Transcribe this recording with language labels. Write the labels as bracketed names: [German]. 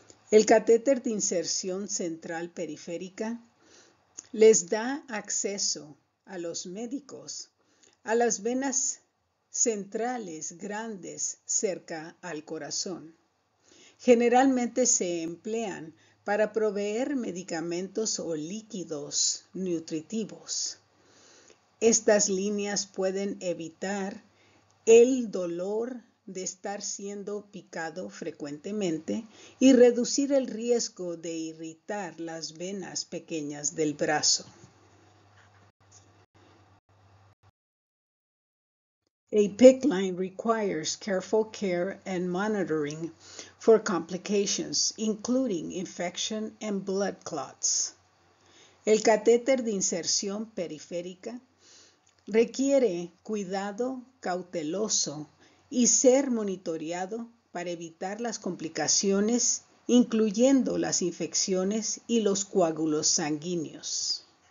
[Spanish] El catéter de inserción central periférica les da acceso a los médicos a las venas centrales grandes cerca al corazón. Generalmente se emplean para proveer medicamentos o líquidos nutritivos. Estas líneas pueden evitar el dolor de estar siendo picado frecuentemente y reducir el riesgo de irritar las venas pequeñas del brazo. [English] A PICC line requires careful care and monitoring for complications, including infection and blood clots. [Spanish] El catéter de inserción periférica requiere cuidado cauteloso y ser monitoreado para evitar las complicaciones, incluyendo las infecciones y los coágulos sanguíneos.